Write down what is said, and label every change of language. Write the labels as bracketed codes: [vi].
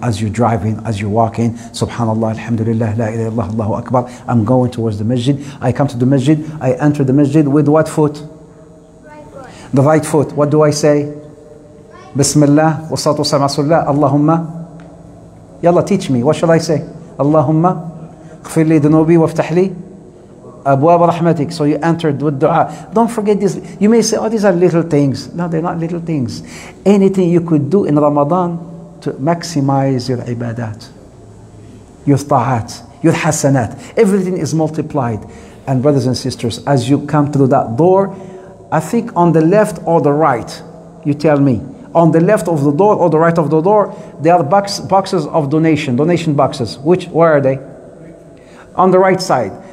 [en] As you're driving, as you're walking, subhanAllah, alhamdulillah, la ilaha illallah, Allahu Akbar. I'm going towards the masjid. I come to the masjid. I enter the masjid with what foot? Right foot. The right foot. What do I say? [ar] Bismillah, والصلاة والسلام على رسول الله, اللهم يلا [en] teach me, what shall I say? [ar] اللهم اغفر لي ذنوبي وافتح لي أبواب رحمتك. [en] So you entered with dua. Don't forget this. You may say, oh, these are little things. No, they're not little things. Anything you could do in Ramadan to maximize your ibadat, your ta'at, your hasanat, everything is multiplied. And brothers and sisters, as you come through that door, I think on the left or the right, you tell me, on the left of the door or the right of the door, there are boxes of donation boxes. Where are they? On the right side.